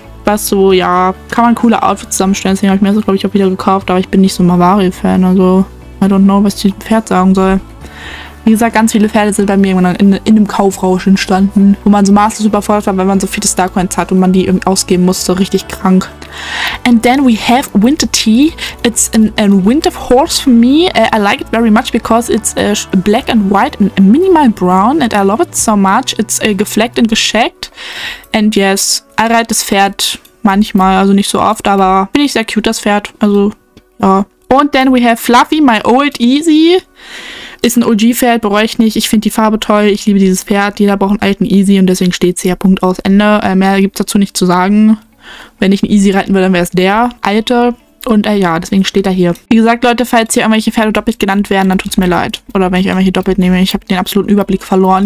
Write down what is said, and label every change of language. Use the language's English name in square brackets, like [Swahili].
[German] Was so, ja, kann man coole Outfits zusammenstellen. Deswegen habe ich mir das, glaube ich, auch wieder gekauft. Aber ich bin nicht so ein Mavari-Fan. Also, [English] I don't know, [German] was ich dem Pferd sagen soll. Wie gesagt, ganz viele Pferde sind bei mir irgendwann in dem Kaufrausch entstanden, wo man so maßlos überfordert war, weil man so viele Starcoins hat und man die irgendwie ausgeben musste, richtig krank. [English] And then we have Winter Tea. It's a winter horse for me. I like it very much because it's black and white and minimal brown and I love it so much. [German] It's gefleckt and gescheckt. [English] And yes, I ride [German] das Pferd manchmal, also nicht so oft, aber bin ich sehr cute, das Pferd. Also, ja. [English] And then we have Fluffy, my old easy. [German] Ist ein OG-Pferd, bereue ich nicht. Ich finde die Farbe toll. Ich liebe dieses Pferd. Jeder braucht einen alten Easy und deswegen steht sie ja Punkt aus Ende. Mehr gibt es dazu nicht zu sagen. Wenn ich einen Easy reiten würde, dann wäre es der alte. Und ja, deswegen steht er hier. Wie gesagt, Leute, falls hier irgendwelche Pferde doppelt genannt werden, dann tut es mir leid. Oder wenn ich irgendwelche doppelt nehme, ich habe den absoluten Überblick verloren.